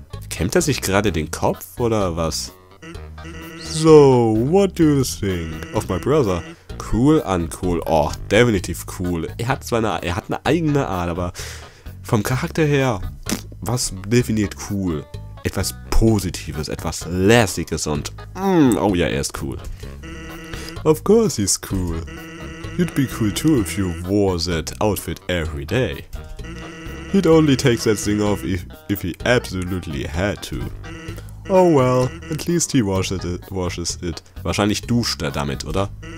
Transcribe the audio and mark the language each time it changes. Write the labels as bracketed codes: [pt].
[de] Kämmt er sich gerade den Kopf, oder was? [en] So, what do you think of my brother? [de] Cool, uncool. Oh, definitiv cool. Er hat eine eigene Art, aber vom Charakter her, was definiert cool? Etwas Positives, etwas Lässiges und oh ja, er ist cool. [en] Of course he's cool. You'd be cool too if you wore that outfit every day. He'd only take that thing off if he absolutely had to. Oh well, at least he washes it. [de] Wahrscheinlich duscht er damit, oder?